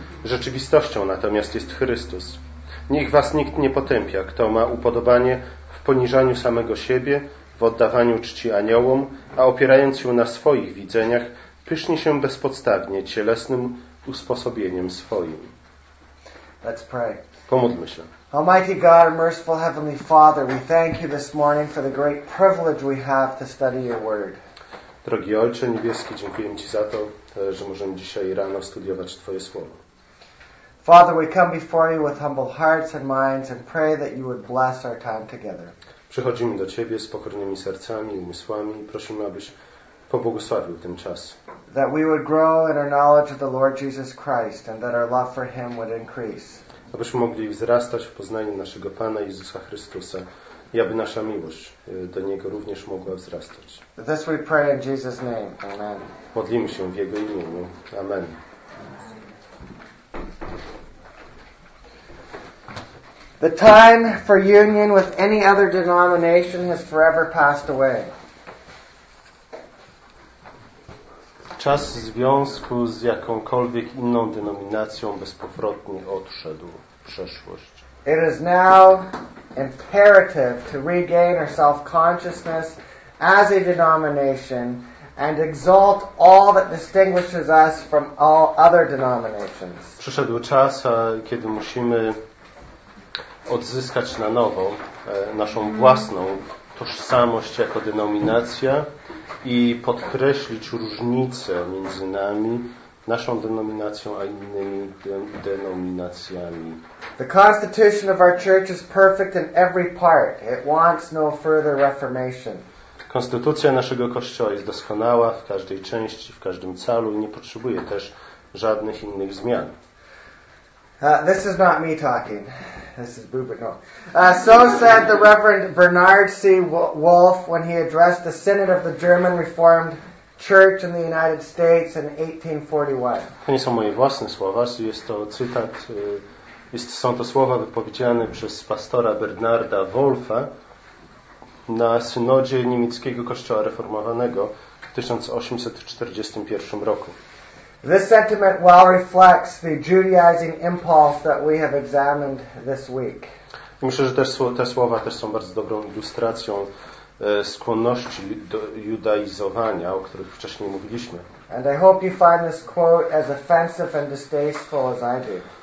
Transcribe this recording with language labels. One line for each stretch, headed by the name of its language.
Polish: Rzeczywistością natomiast jest Chrystus. Niech was nikt nie potępia, kto ma upodobanie w poniżaniu samego siebie, w oddawaniu czci aniołom, a opierając się na swoich widzeniach, pysznie się bezpodstawnie cielesnym usposobieniem swoim.
English: Let's pray.
Polish: Pomódlmy się.
English: Almighty God, merciful Heavenly Father, we thank you this morning for the great privilege we have to study your word.
Polish: Drogi Ojcze Niebieski, dziękuję Ci za to, że możemy dzisiaj rano studiować Twoje słowo.
English: Father, we come before you with humble hearts and minds and pray that you would bless our time together.
Polish: Przychodzimy do Ciebie z pokornymi sercami i umysłami i prosimy, abyś pobłogosławił ten czas.
English: That we would grow in our knowledge of the Lord Jesus Christ and that our love for Him would increase.
Polish: Abyśmy mogli wzrastać w poznaniu naszego Pana Jezusa Chrystusa i aby nasza miłość do Niego również mogła wzrastać.
English: This we pray in Jesus' name. Amen.
Polish: Modlimy się w Jego imieniu. Amen.
English: The time for union with any other denomination has forever passed away.
Polish: Czas związku z jakąkolwiek inną denominacją bezpowrotnie odszedł w przeszłość.
English: It is now imperative to regain our self-consciousness as a denomination and exalt all that distinguishes us from all other denominations.
Polish: Przyszedł czas, kiedy musimy odzyskać na nowo naszą własną tożsamość jako denominacja i podkreślić różnicę między nami, naszą denominacją, a innymi denominacjami.
English: The constitution of our church is perfect in every part. It wants no further reformation.
Polish: Konstytucja naszego Kościoła jest doskonała w każdej części, w każdym calu i nie potrzebuje też żadnych innych zmian.
English: This is not me talking. This is Bubert. No. So said the Reverend Bernard C. Wolfe when he addressed the Synod of the German Reformed Church in the United States in 1841.
Polish: To nie są moje własne słowa. Jest to cytat. Są to słowa wypowiedziane przez pastora Bernarda Wolfa na synodzie niemieckiego kościoła reformowanego w 1841 roku.
English: This sentiment well reflects the Judaizing impulse that we have examined this week.
Polish: Myślę, że te słowa też są bardzo dobrą ilustracją skłonności do judaizowania, o których wcześniej mówiliśmy.
English: And I hope you find this quote as offensive and distasteful as I do.